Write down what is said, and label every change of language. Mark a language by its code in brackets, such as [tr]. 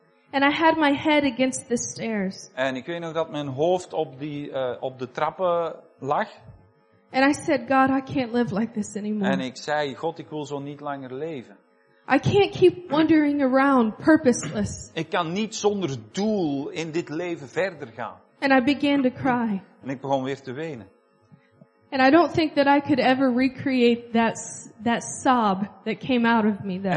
[en] And I had my head against the stairs. [nl] En ik weet nog dat mijn hoofd op de trappen lag. [en] And I said, God, I can't live like this anymore. [nl] En ik zei, God, ik wil zo niet langer leven. [en] I can't keep wandering around purposeless. [nl] Ik kan niet zonder doel in dit leven verder gaan. [en] And I began to cry. [nl] En ik begon weer te wenen. [en] And I don't think that I could ever recreate that sob that came out of me that